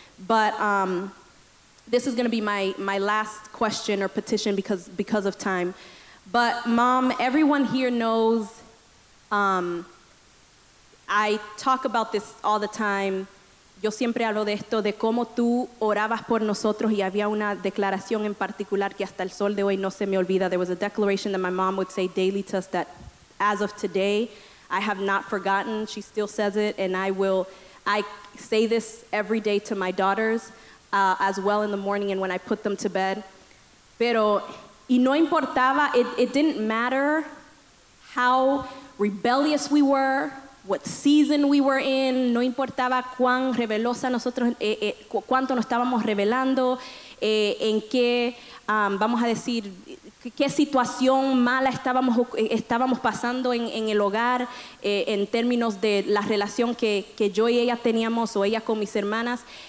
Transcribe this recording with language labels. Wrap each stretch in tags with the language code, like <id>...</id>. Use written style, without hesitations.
<en>But this is going to be my last question or petition because of time. But mom, everyone here knows, I talk about this all the time.</en> <es>Yo siempre hablo de esto, de cómo tú orabas por nosotros, y había una declaración en particular que hasta el sol de hoy no se me olvida.</es> <en>There was a declaration that my mom would say daily to us that as of today, I have not forgotten. She still says it, and I say this every day to my daughters as well in the morning and when I put them to bed.</en> <es>Pero, y no importaba,</es> <en>it didn't matter how rebellious we were, what season we were in,</en> <es>no importaba cuán rebelosa nosotros, cuánto nos estábamos rebelando, en qué, vamos a decir, qué situación mala estábamos pasando en el hogar, en términos de la relación que yo y ella teníamos, o ella con mis hermanas.</es>